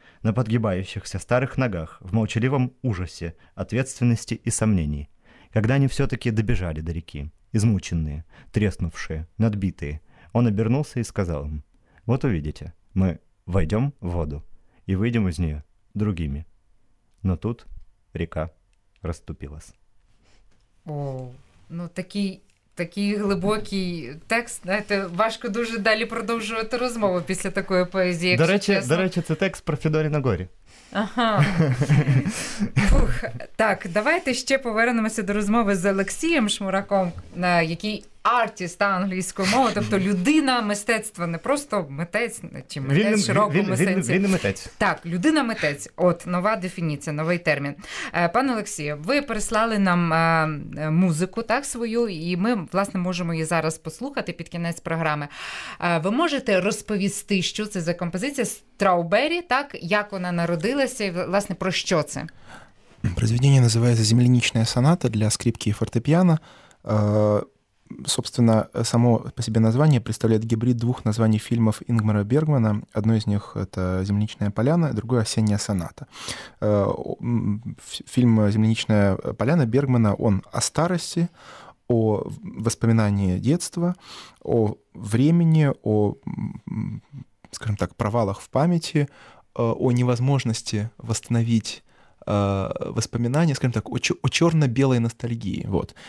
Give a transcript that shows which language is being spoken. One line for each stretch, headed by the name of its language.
Russian: На подгибающихся старых ногах, в молчаливом ужасе, ответственности и сомнений. Когда они все-таки добежали до реки, измученные, треснувшие, надбитые, он обернулся и сказал им: «Вот увидите, мы войдем в воду и выйдем из нее другими». Но тут река расступилась.
Ukrainian: О, ну такий глибокий текст. Знаєте, важко дуже далі продовжувати розмову після такої поезії, якщо чесно. До речі, це текст про Федоріна Горі. Ага. Фух. Так, давайте ще повернемося до розмови з Олексієм Шмураком, який артіст англійської мови, тобто людина мистецтва, не просто митець, чи митець в широкому сенсі. Він митець. Так, людина-митець. От, нова дефініція, новий термін. Пане Олексію, ви прислали нам музику, так, свою, і ми, власне, можемо її зараз послухати під кінець програми. Ви можете розповісти, що це за композиція «Страубері», так, як вона народилася, і, власне, про що це? Произведення називається «Землянічна соната» для скрипки і фортепіано.
Russian: Собственно, само по себе название представляет гибрид двух названий фильмов Ингмара Бергмана. Одно из них — это «Земляничная поляна», другое — «Осенняя соната». Фильм «Земляничная поляна» Бергмана, он о старости, о воспоминании детства, о времени, о, скажем так, провалах в памяти, о невозможности восстановить воспоминания, скажем так, о черно-белой ностальгии. Вот.